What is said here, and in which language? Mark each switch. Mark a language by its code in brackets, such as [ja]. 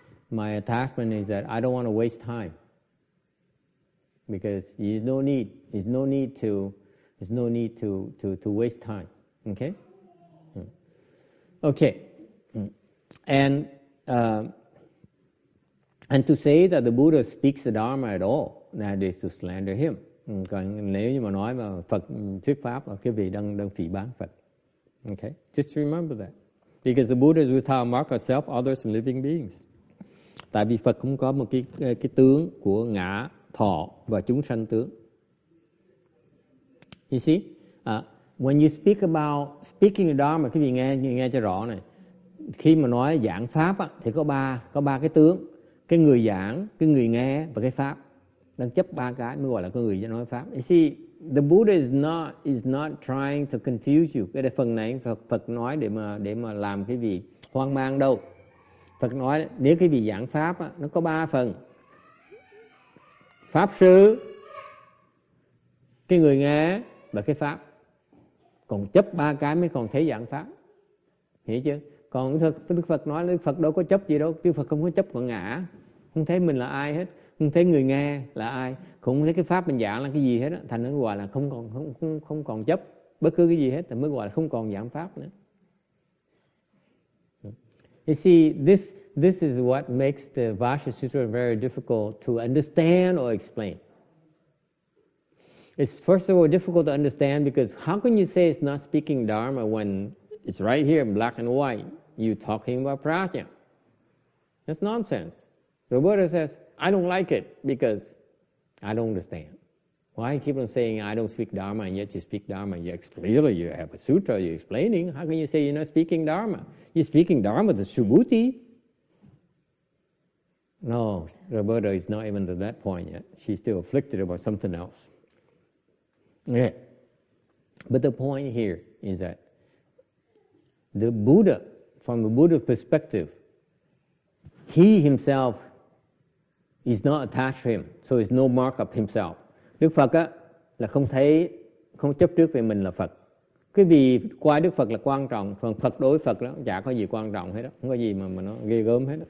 [en] My attachment is that I don't want to waste time because there's no need to waste time. Okay. Okay. And to say that the Buddha speaks the Dharma at all, that is to slander him. [vi] Còn nếu như mà nói mà Phật thuyết pháp là cái vị đang phỉ báng Phật. [en] Okay. Just remember that because the Buddha is without mark of self, others, and living beings. [vi] Tại vì Phật cũng có một cái tướng của ngã, thọ và chúng sanh tướng. [en] You see? When you speak about speaking the Dharma, [vi] quý vị nghe cho rõ này. Khi mà nói giảng pháp á, thì có ba cái tướng. Cái người giảng, cái người nghe và cái pháp. Đang chấp ba cái mới gọi là cái người nói pháp. You see, the Buddha is not trying to confuse you. Cái phần này Phật nói để mà làm cái gì hoang mang đâu. Phật nói nếu cái vị giảng pháp á, nó có ba phần: pháp sư, cái người nghe và cái pháp. Còn chấp ba cái mới còn thấy giảng pháp, hiểu chưa? Còn Đức Phật nói là Phật đâu có chấp gì đâu, Đức Phật không có chấp vào ngã, không thấy mình là ai hết, không thấy người nghe là ai, cũng không thấy cái pháp mình giảng là cái gì hết á. Thành nó gọi là không còn chấp bất cứ cái gì hết, thì mới gọi là không còn giảng pháp nữa. [en] You see, this is what makes the Vajra Sutra very difficult to understand or explain. It's first of all difficult to understand because how can you say it's not speaking Dharma when it's right here in black and white? you talking about prajna. That's nonsense. The Buddha says, I don't like it because I don't understand. Why keep on saying I don't speak Dharma and yet you speak Dharma? Yes, clearly you have a sutra you're explaining. How can you say you're not speaking Dharma? You're speaking Dharma, the Subhuti. No, the Buddha is not even to that point yet. She's still afflicted about something else. Yeah. But the point here is that the Buddha, from the Buddha perspective, he himself is not attached to him, so it's no mark of himself. [vi] Đức Phật á, là không thấy, không chấp trước về mình là Phật. Cái vì qua Đức Phật là quan trọng, còn Phật đối Phật đó, chả có gì quan trọng hết đó, không có gì mà nó ghê gớm hết đó.